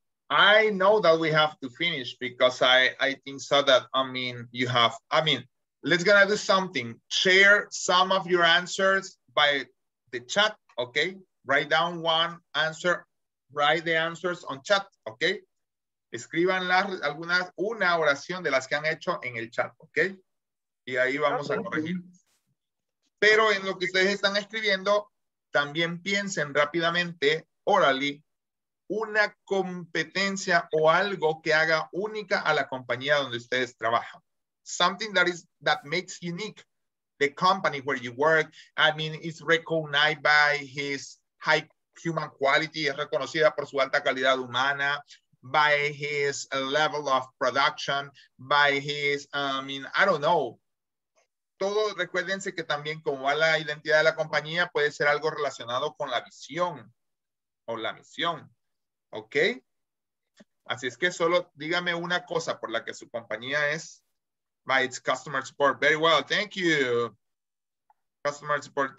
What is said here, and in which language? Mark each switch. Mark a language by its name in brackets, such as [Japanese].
[English] I know that we have to finish because I think so that, I mean, you have, I mean, let's gonna do something. Share some of your answers by the chat, okay? Write down one answer, write the answers on chat, okay? [Spanish] Escriban algunas, una oración de las que han hecho en el chat, okay? Y ahí vamos okay. a corregir. Pero en lo que ustedes están escribiendo, también piensen rápidamente, orally, una competencia o algo que haga única a la compañía donde ustedes trabajan. [English] Something that is that makes unique the company where you work. I mean, it's recognized by his high human quality, [Spanish] es reconocida por su alta calidad humana, [English] by his level of production, by his, I mean, I don't know. [Spanish] Todo, recuérdense que también como va la identidad de la compañía, puede ser algo relacionado con la visión o la misión. ¿Ok? Así es que solo dígame una cosa por la que su compañía es [English] by its customer support. Very well. Thank you. Customer support.